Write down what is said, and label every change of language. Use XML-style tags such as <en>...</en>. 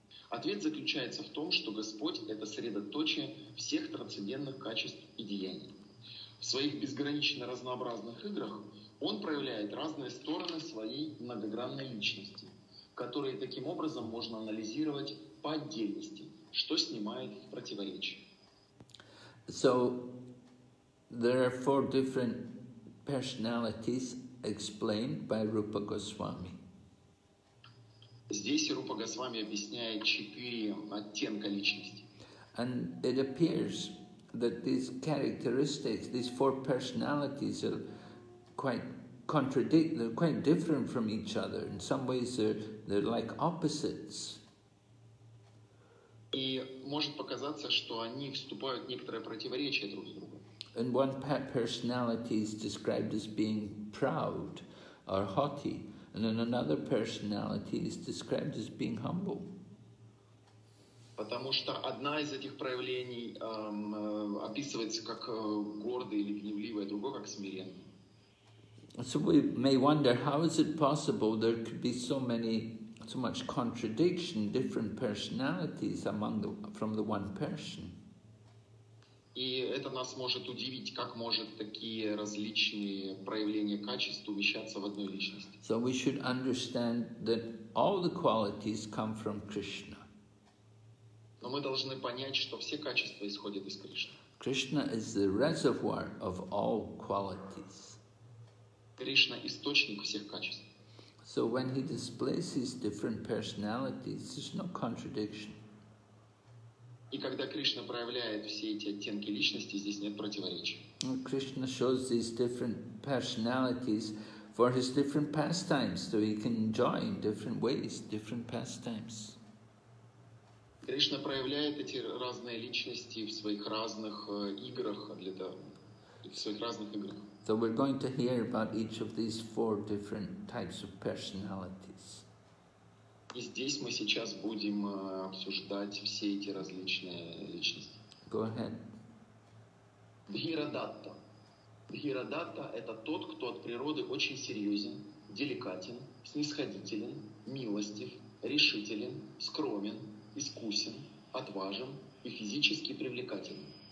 <ru>Ответ заключается в том, что Господь — это средоточие всех трансцендентных качеств и деяний. В своих безгранично разнообразных играх Он проявляет разные стороны своей многогранной личности, которые таким образом можно анализировать по отдельности, что снимает противоречие.</ru> <en>So, there are four different personalities explained by Rupa Goswami.</en> <ru>Здесь Рупа Госвами объясняет четыре оттенка личности.</ru> <en>And it appears that these characteristics, these four personalities are quite contradict, they're quite different from each other. In some ways they're like opposites.</en> <ru>И может показаться, что они вступают в некоторое противоречие друг с другом.</ru> <en>And one personality is described as being proud or haughty, and then another personality is described as being humble.</en> <ru>Потому что одна из этих проявлений описывается как гордый или гневливый, а другой как смиренный.</ru> <en>So we may wonder, how is it possible there could be so much contradiction, different personalities from the one person?</en> <ru>И это нас может удивить, как может такие различные проявления качеств умещаться в одной личности.</ru> <en>So we should understand that all the qualities come from Krishna.</en> <ru>Но мы должны понять, что все качества исходят из Кришны.</ru> <en>Krishna is the reservoir of all qualities.</en> <ru>Кришна – источник всех качеств.</ru> <en>So when he displays his different personalities, there's no contradiction.</en> <ru>И когда Кришна проявляет все эти оттенки личности, здесь нет противоречия.</ru> <en>And Krishna shows these different personalities for his different pastimes, so he can enjoy in different ways, different pastimes.</en> <ru>Кришна проявляет эти разные личности в своих разных играх,</ru> <en>So we're going to hear about each of these four different types of personalities.</en> <ru>И здесь мы сейчас будем обсуждать все эти различные личности.</ru> <en>Go ahead.</en> <ru>Дхирадатта. Дхирадатта – это тот, кто от природы очень серьезен, деликатен, снисходителен, милостив, решителен, скромен, искусен, отважен и физически привлекателен.</ru>